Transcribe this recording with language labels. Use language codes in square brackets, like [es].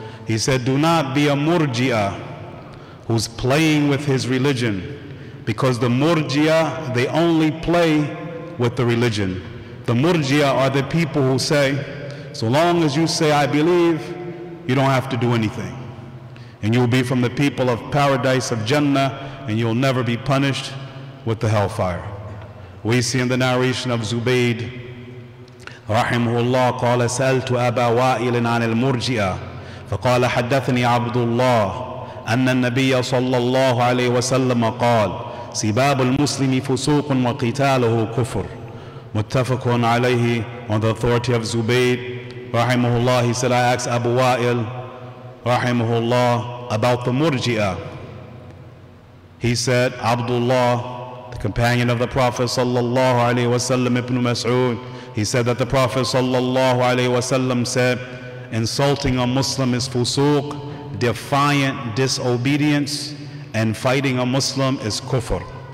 [en] He said, do not be a murjia who's playing with his religion, because the murjia, they only play with the religion. The murjia are the people who say, so long as you say I believe, you don't have to do anything, and you'll be from the people of paradise of Jannah, and you'll never be punished with the hellfire. We see in the narration of Zubayd rahimahullah, [ar] قال سألت أبا وائل عن المرجئة فقال حدثني عبد الله أن النبي صلى الله عليه وسلم قال سباب المسلم فسوق وقتاله كفر. متفق عليه. [en] On the authority of Zubayd rahimahullah, he said, I asked Abu Wa'il rahimahullah about the murji'a. He said, Abdullah, the companion of the Prophet sallallahu alayhi wa sallam, Ibn Mas'ud, he said that the Prophet sallallahu alayhi wa sallam said, insulting a Muslim is fusuq, defiant disobedience, and fighting a Muslim is kufr.